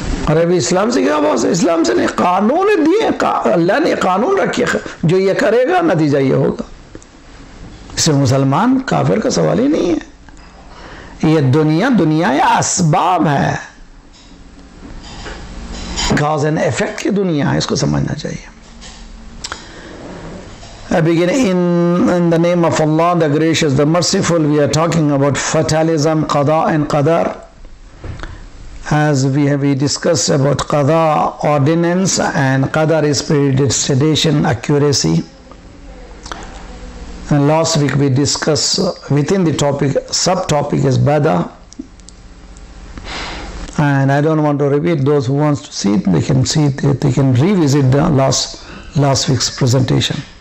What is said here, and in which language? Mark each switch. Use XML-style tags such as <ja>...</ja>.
<ur>ارے ابھی اسلام سے کیا بات ہے, اسلام سے نہیں, قانون دیے اللہ نے, قانون رکھے, جو یہ کرے گا نتیجہ یہ ہوگا. صرف مسلمان کافر کا سوال ہی نہیں ہے, یہ دنیا دنیا یا اسباب ہے, کاز اینڈ افیکٹ کی دنیا ہے, اس کو سمجھنا چاہیے.</ur> <en>Begin in the name of Allah the gracious the merciful, we are talking about fatalism, قضاء and قدر, as we have discuss about قضاء ordinance and قدر is predestination accuracy. And last week we discussed within the topic, subtopic is Bada. And I don't want to repeat, those who wants to see it, they can see it, they can revisit the last week's presentation.</en>